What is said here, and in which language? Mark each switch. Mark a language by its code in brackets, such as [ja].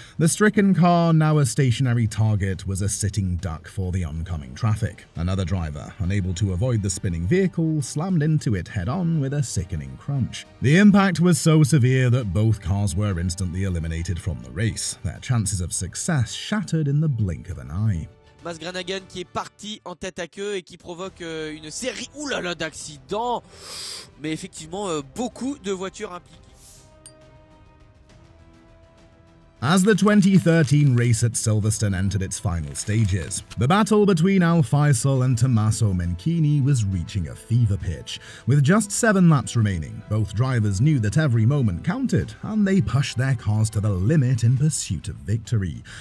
[en] The stricken car, now a stationary target, was a sitting duck for the oncoming traffic. Another driver, unable to avoid the spinning vehicle, slammed into it head-on with a sickening crunch. The impact was so severe that both cars were instantly eliminated from the race, their chances of success shattered in the blink of an eye. [fr] Mas Granagan qui est parti en tête à queue et qui provoque une série, oulala, d'accidents, mais effectivement beaucoup de voitures impliquées. [en] As the 2013 race at Silverstone entered its final stages, the battle between Al Faisal and Tommaso Menchini was reaching a fever pitch. With just 7 laps remaining, both drivers knew that every moment counted, and they pushed their cars to the limit in pursuit of victory.